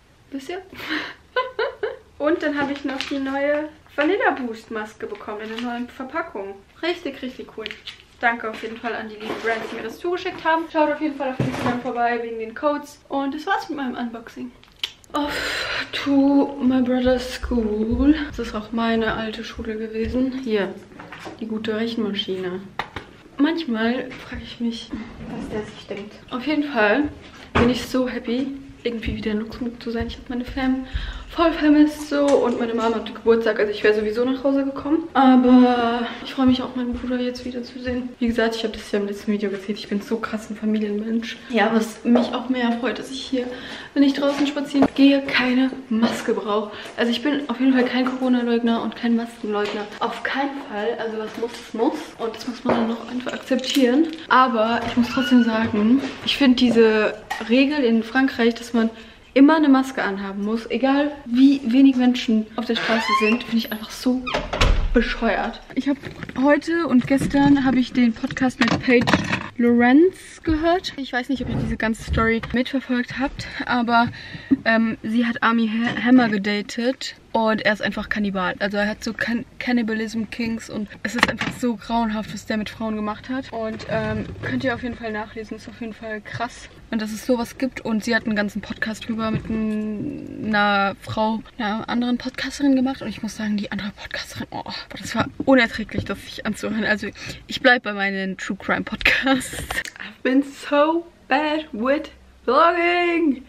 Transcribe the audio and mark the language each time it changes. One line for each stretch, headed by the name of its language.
German: Wisst ihr? Und dann habe ich noch die neue Vanilla Boost Maske bekommen in der neuen Verpackung. Richtig, richtig cool. Danke auf jeden Fall an die lieben Brands, die mir das zugeschickt haben. Schaut auf jeden Fall auf Instagram vorbei wegen den Codes. Und das war's mit meinem Unboxing.
English: Off to my brother's school.
German: Das ist auch meine alte Schule gewesen. Hier, die gute Rechenmaschine. Manchmal frage ich mich, was der sich denkt. Auf jeden Fall bin ich so happy, irgendwie wieder in Luxemburg zu sein. Ich habe meine Fam voll vermisst so und meine Mama hatte Geburtstag, also ich wäre sowieso nach Hause gekommen. Aber ich freue mich auch, meinen Bruder jetzt wieder zu sehen. Wie gesagt, ich habe das ja im letzten Video erzählt, ich bin so krass ein Familienmensch. Ja, was mich auch mehr freut, dass ich hier, wenn ich draußen spazieren gehe, keine Maske brauche. Also ich bin auf jeden Fall kein Corona-Leugner und kein Maskenleugner. Auf keinen Fall, also was muss, muss. Und das muss man dann noch einfach akzeptieren. Aber ich muss trotzdem sagen, ich finde diese Regel in Frankreich, dass man immer eine Maske anhaben muss, egal wie wenig Menschen auf der Straße sind, finde ich einfach so bescheuert. Ich habe heute und gestern habe ich den Podcast mit Paige Lorenz gehört. Ich weiß nicht, ob ihr diese ganze Story mitverfolgt habt, aber sie hat Armie Hammer gedatet und er ist einfach Kannibal. Also er hat so Cannibalism-Kings und es ist einfach so grauenhaft, was der mit Frauen gemacht hat. Und könnt ihr auf jeden Fall nachlesen, ist auf jeden Fall krass. Und dass es sowas gibt und sie hat einen ganzen Podcast drüber mit einer Frau, einer anderen Podcasterin gemacht. Und ich muss sagen, die andere Podcasterin, oh, das war unerträglich, das sich anzuhören. Also ich bleibe bei meinen True Crime Podcasts.
English: I've been so bad with vlogging.